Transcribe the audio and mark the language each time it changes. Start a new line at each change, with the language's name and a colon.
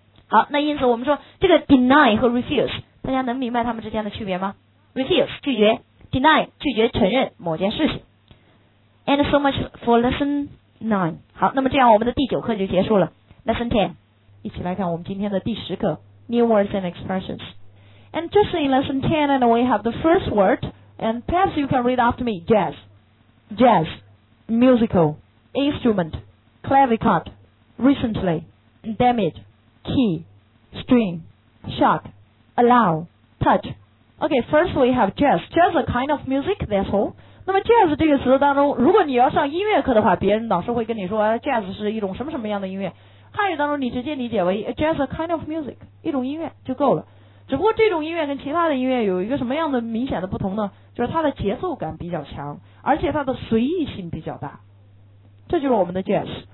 Chinese: 好，那因此我们说这个 deny 和 refuse， 大家能明白他们之间的区别吗？ refuse 拒绝， deny 拒绝承认某件事情。
English: And so much for lesson 9。
Chinese: 好，那么这样我们的第九课就结束了。
English: Lesson 10，
Chinese: 一起来看我们今天的第十课，
English: New words and expressions。 And just in lesson 10 and we have the first word, and perhaps you can read after me. Jazz. Jazz. Musical. Instrument. Clavicord. Recently. Damage. Key, string, shock, allow, touch. Okay, first we have jazz. Jazz is a kind of music, that's all.
Chinese: 那么 jazz 这个词当中，如果你要上音乐课的话，别人老师会跟你说 jazz 是一种什么什么样的音乐。汉语当中你直接理解为
English: jazz a kind of music,
Chinese: 一种音乐就够了。只不过这种音乐跟其他的音乐有一个什么样的明显的不同呢？就是它的节奏感比较强，而且它的随意性比较大。这就是我们的 jazz。